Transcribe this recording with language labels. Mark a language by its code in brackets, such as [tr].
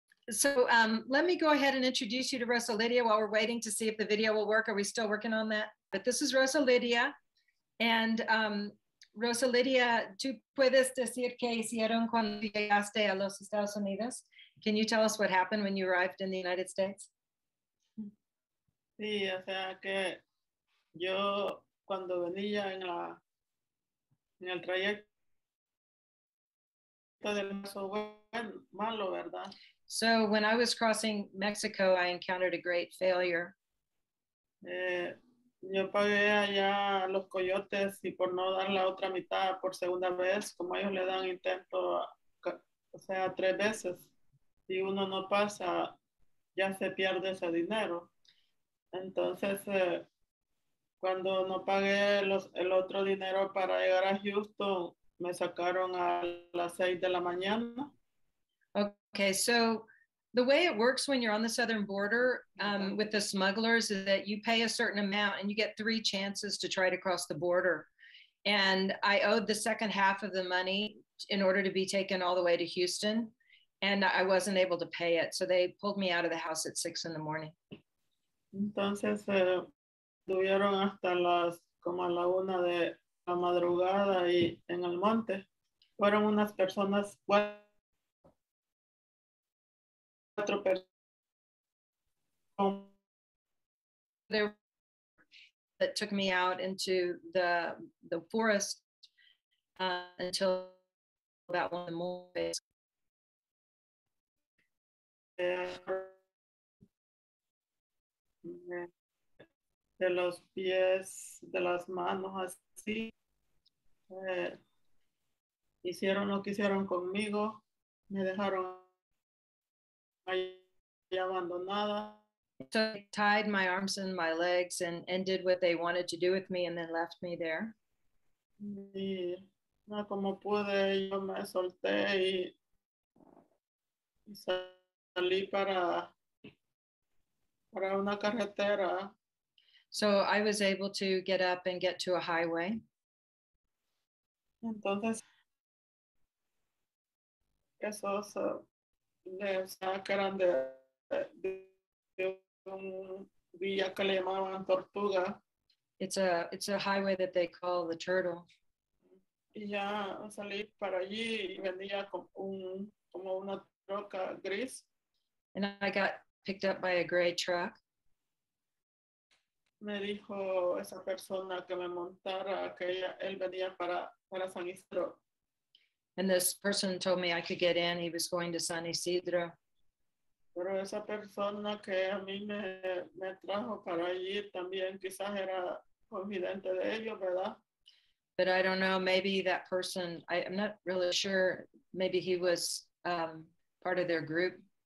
[en] So let me go ahead and introduce you to Rosalydia while we're waiting to see if the video will work. Are we still working on that? But this is Rosalydia. And Rosalydia, [es] ¿tú puedes decir qué hicieron cuando llegaste a los Estados Unidos? [en] Can you tell us what happened when you arrived in the United States? [es] Sí, o sea que yo cuando venía en la en el trayecto del paso bueno, malo, ¿verdad? [en] So when I was crossing Mexico, I encountered a great failure. [es] Yo pagué allá a los coyotes y por no dar la otra mitad por segunda vez, como ellos le dan intento, o sea, tres veces. Si uno no pasa, ya se pierde ese dinero. Entonces, cuando no pagué los, el otro dinero para llegar a Houston, me sacaron a las 6 de la mañana. [en] Okay, so the way it works when you're on the southern border with the smugglers is that you pay a certain amount and you get three chances to try to cross the border. And I owed the second half of the money in order to be taken all the way to Houston. And I wasn't able to pay it. So they pulled me out of the house at 6 in the morning. [es] Entonces, tuvieron hasta las como a la 1 de la madrugada y en el monte. Fueron unas personas, [en] that took me out into the forest until about 1 in the morning. [es] De los pies, de las manos, así. Hicieron lo que hicieron conmigo. Me dejaron abandonada. [en] So they tied my arms and my legs and did what they wanted to do with me and then left me there. [es] Y no, como pude, yo me solté y salí para una carretera. [en] So I was able to get up and get to a highway. [es] Entonces, esos de un villa que le llamaban Tortuga. [en] It's a highway that they call the Turtle. [es] Y ya salí para allí y venía como una troca gris. [en] And I got picked up by a gray truck. [es] Me dijo esa persona que me montara que ella, él venía para San Isidro. [en] And this person told me I could get in. He was going to San Isidro. [es] Pero esa persona que a mí me trajo para allí también quizás era confidente de ellos, ¿verdad? [en] But I don't know. Maybe that person, I'm not really sure. Maybe he was part of their group.